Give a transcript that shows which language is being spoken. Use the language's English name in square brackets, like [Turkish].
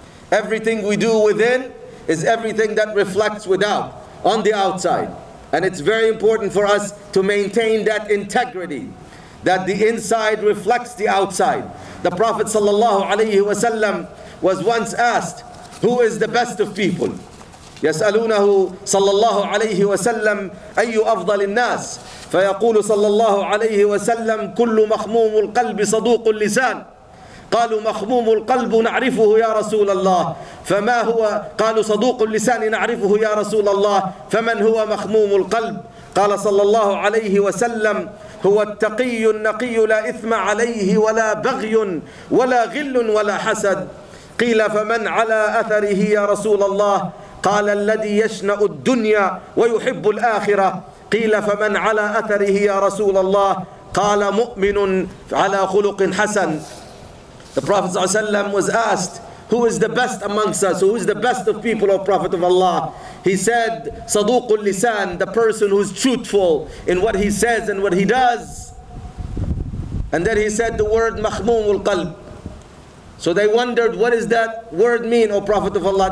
[English] Everything we do within is everything that reflects without, on the outside. And it's very important for us to maintain that integrity, that the inside reflects the outside. The Prophet sallallahu alayhi wa sallam was once asked, who is the best of people? [Arabic] يسألونه صلى الله عليه وسلم أي أفضل الناس؟ فيقول صلى الله عليه وسلم كل مخموم القلب صدوق اللسان. قالوا مخموم القلب نعرفه يا رسول الله، فما هو؟ قالوا صدوق اللسان نعرفه يا رسول الله، فمن هو مخموم القلب؟ قال صلى الله عليه وسلم هو التقي النقي لا إثم عليه ولا بغي ولا غل ولا حسد. قيل فمن على أثره يا رسول الله؟ قال الذي يشنأ الدنيا ويحب الآخرة. قيل فمن على أثره يا رسول الله؟ قال مؤمن على خلق حسن. [English] The Prophet ﷺ was asked, who is the best amongst us, who is the best of people, O Prophet of Allah. He said, Saduqul Lisan, the person who is truthful in what he says and what he does. And then he said the word Mahmumul Qalb. So they wondered, what does that word mean, O Prophet of Allah?